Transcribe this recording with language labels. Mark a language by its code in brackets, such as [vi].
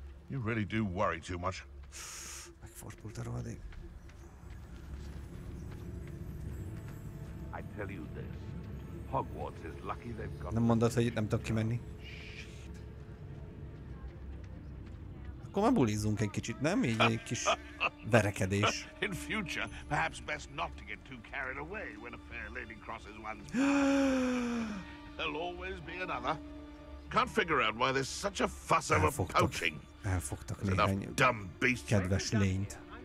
[en] You really do worry too much. [hu] Megfordult a rohadék. [en] I tell you this. Hogwarts is lucky they've got. [hu] Nem mondod, hogy itt nem tudok kimenni. Akkor már bulizzunk egy kicsit, nem? Így egy kis verekedés. [en] In future, perhaps best not to get too carried away when a fair lady crosses one's path. There'll always be another. Can't figure out why there's such a fuss over poaching. [hu] Elfogtak néhány [en] dumb beast. [hu] Kedves lényt.